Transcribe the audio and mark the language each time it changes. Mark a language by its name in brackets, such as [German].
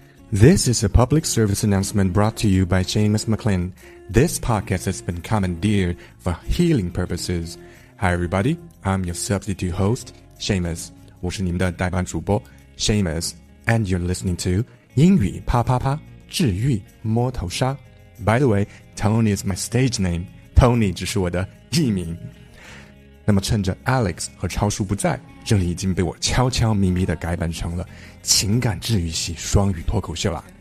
[English] This is a public service announcement brought to you by Seamus McLean. This podcast has been commandeered for healing purposes. Hi everybody, I'm your substitute host, Seamus. [Chinese] 我是你们的代班主播 Seamus, [English] and you're listening to [Chinese] 英语啪啪啪治愈摸头杀。 [English] By the way, Tony is my stage name. [Chinese] Tony 只是我的艺名。那么趁着 Alex 和超叔不在，这里已经被我悄悄咪咪地改版成了情感治愈系双语脱口秀了。